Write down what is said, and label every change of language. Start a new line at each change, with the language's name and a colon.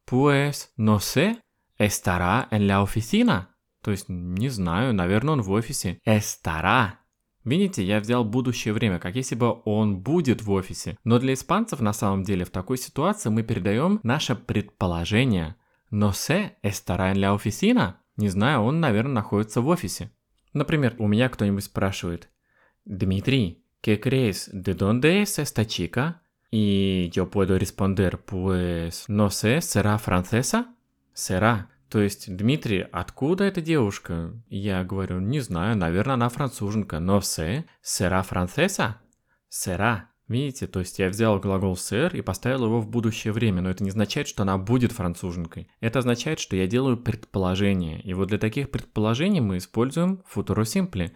Spanish: Pues no sé, estará en la oficina.
Russian: То есть, не знаю, наверное, он в офисе.
Spanish: Estará.
Russian: Видите, я взял будущее время, как если бы он будет в офисе. Но для испанцев на самом деле в такой ситуации мы передаем наше предположение.
Spanish: No sé, estará en la oficina?
Russian: Не знаю, он, наверное, находится в офисе. Например, у меня кто-нибудь спрашивает.
Spanish: Дмитрий, ¿qué crees? ¿De dónde es esta chica? И yo puedo responder, pues, no sé, será francesa? Será.
Russian: То есть, Дмитрий, откуда эта девушка? Я говорю, не знаю, наверное, она француженка.
Spanish: No sé, será francesa? Será.
Russian: Видите, то есть я взял глагол ser и поставил его в будущее время, но это не означает, что она будет француженкой. Это означает, что я делаю предположение. И вот для таких предположений мы используем futuro simple.